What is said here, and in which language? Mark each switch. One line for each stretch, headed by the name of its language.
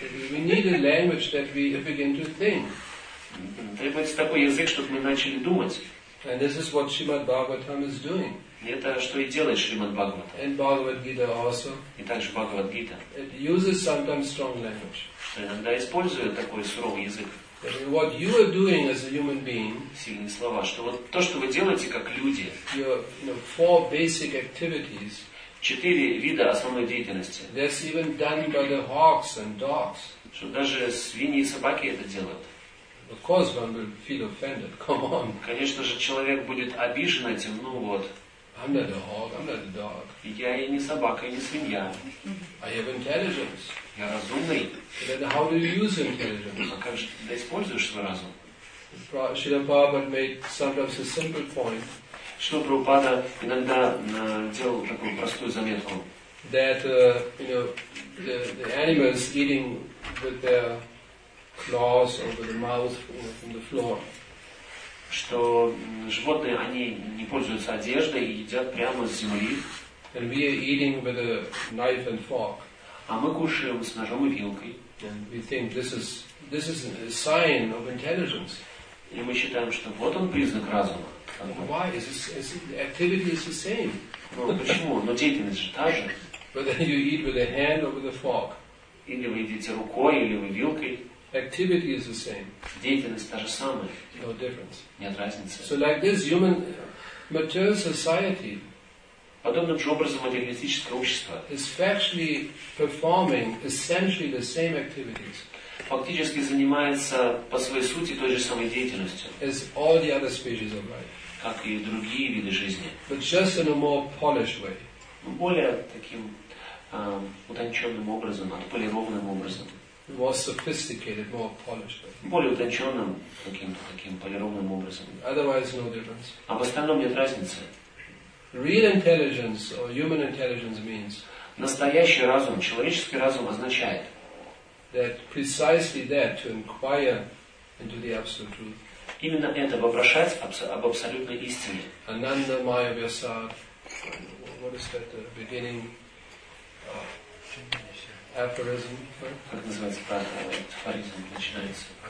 English: We need a language that we begin to think.
Russian: Требуется такой язык, чтобы мы начали думать.
English: And this is what Srimad Bhagavatam is doing.
Russian: Это что и делает Шримад Бхагаватам.
English: And Bhagavad Gita also.
Russian: И также Бхагавад Гита.
English: It uses sometimes strong language.
Russian: Иногда использует такой суровый язык.
English: What you are doing as a human being.
Russian: Сильные слова, что вот то, что вы делаете как люди.
English: Four basic activities.
Russian: Четыре вида основной деятельности.
English: That's even done by the hawks and dogs.
Russian: Что даже свиньи и собаки это делают.
English: Of course, one will feel offended. Come on.
Russian: Конечно же, человек будет обижен этим. Ну вот.
English: I'm not a hog. I'm not a dog.
Russian: Я и не собака, и не свинья.
English: I have intelligence.
Russian: Я разумный.
English: Then how do you use intelligence?
Russian: А как же ты используешь свой разум?
English: Шрила Прабхупада made sometimes a simple point.
Russian: Шрила Прабхупада иногда делал такую простую заметку.
English: That the animals eating with their claws over the mouth from the floor.
Russian: Что животные они не пользуются одеждой и едят прямо с земли.
English: And we are eating with a knife and fork.
Russian: А мы кушаем с ножом и вилкой.
English: And we think this is a sign of intelligence.
Russian: И мы считаем, что вот он признак разума.
English: Why is the activity is the same?
Russian: Ну почему? Но деятельность же та же.
English: But then you eat with a hand or with a fork.
Russian: Или вы едите рукой, или вы вилкой.
English: Activity is the same.
Russian: Деятельность та же самая.
English: No difference.
Russian: Нет разницы.
English: So like this human material society.
Russian: Подобным же образом материалистическое общество.
English: Is factually performing essentially the same activities.
Russian: Фактически занимается по своей сути той же самой деятельностью.
English: As all the other species of life.
Russian: Как и другие виды жизни.
English: But just in a more polished way.
Russian: Более таким утонченным образом, отполированным образом.
English: More sophisticated, more polished.
Russian: Более утонченным каким-то полированным образом.
English: Otherwise, no difference.
Russian: А в остальном нет разницы.
English: Real intelligence or human intelligence means.
Russian: Настоящий разум, человеческий разум означает.
English: That precisely that to inquire into the absolute truth.
Russian: Именно это вопрошать об абсолютной истине.
English: Ananda Maya Vyasad. What is that? The beginning. Aphorism.
Russian: Как называется афоризм начинается?